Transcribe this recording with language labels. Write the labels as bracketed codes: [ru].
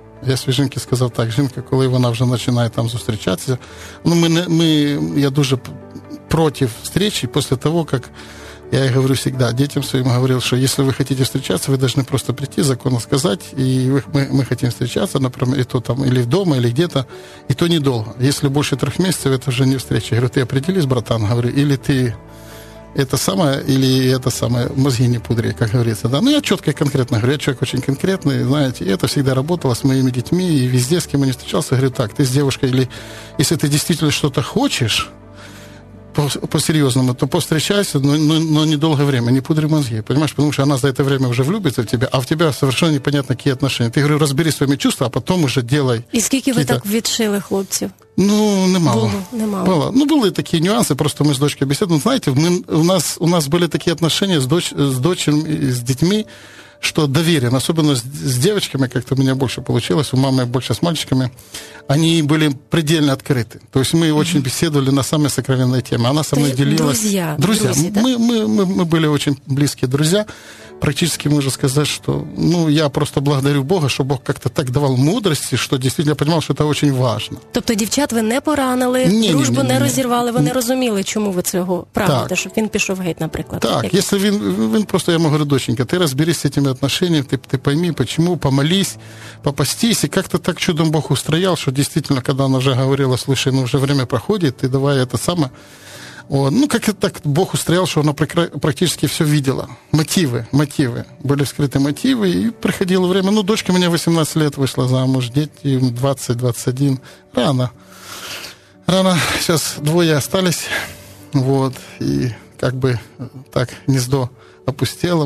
[uk] Я своїй жінці сказав так, жінка, коли вона вже починає там зустрічатися, ну, я дуже проти зустрічі, після того, як я їй говорю завжди, дітям своїм говорив, що якщо ви хочете зустрічатися, ви повинні просто прийти, законно сказати, і ми хочемо зустрічатися, наприклад, і то там, або вдома, або де-то, і то недовго. Якщо більше 3 місяців, це вже не зустріча. Я говорю, [ru] ти определись, братан, [uk] говорю, або ти... [ru] Это самое, или это самое, мозги не пудри, как говорится, да. Ну, я четко и конкретно говорю, я человек очень конкретный, знаете, и это всегда работало с моими детьми, и везде, с кем я не встречался, говорю, так, ты с девушкой, или если ты действительно что-то хочешь, по-серьезному, то повстречайся, но недолгое время, не пудри мозги. Понимаешь, потому что она за это время уже влюбится в тебя, а в тебя совершенно непонятно, какие отношения. Ты, говорю, разбери свои чувства, а потом уже делай. [uk] И скільки ви так відшили хлопців? [ru] Ну, немало. Немало. [uk] Ну, були такі нюанси, просто ми з дочкою бесідом. Знаєте, у нас були такі [ru] отношения з дочерем і з дітьми, что доверие, особенно с девочками, как-то у меня больше получилось, у мамы больше с мальчиками, они были предельно открыты. То есть мы очень беседовали на самые сокровенные темы. Она со мной делилась... Друзья. Мы были очень близкие друзья. Практически можно сказать, что я просто благодарю Бога, что Бог как-то так давал мудрости, что действительно понимал, что это очень важно. [uk] Тобто дівчат ви не поранили, дружбу не розірвали, вони розуміли, чому ви цього прагнете, щоб він пішов геть, наприклад. Так, якщо він просто, я йому говорю, доченька, ти розберись з цими відносинами, ти пойми, чому, помолись, попастись, і як-то так чудом Бог устроял, що действительно, коли вона вже говорила, слушай, вже время проходить, ти давай это саме. [ru] Как это так Бог устроил, что она практически все видела. Мотивы. Были скрыты мотивы, и приходило время. Дочка у меня 18 лет вышла замуж, дети 20-21. Рано. Сейчас двое остались. И как бы так гнездо опустело.